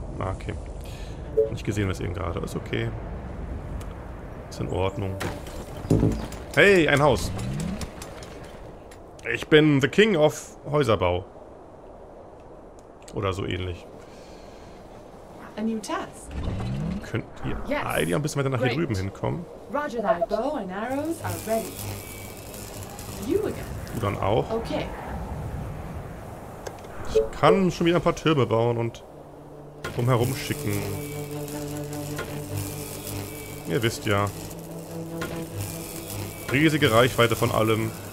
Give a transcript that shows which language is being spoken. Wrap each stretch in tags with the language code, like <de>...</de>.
<de>Ah, okay. Nicht gesehen, was eben gerade. Ist okay. Ist in Ordnung. Hey, ein Haus. Ich bin</de> <en>the King of</en> <de>Häuserbau. Oder so ähnlich.</de> <en>A new task.</en> <de>Könnt ihr eigentlich ein bisschen weiter nach hier drüben hinkommen?</de> <en>Roger, thy bow and arrows are ready. You again.</en> <de>Du dann auch. Okay. Ich kann schon wieder ein paar Türme bauen und drumherum schicken. Ihr wisst ja. Riesige Reichweite von allem.</de>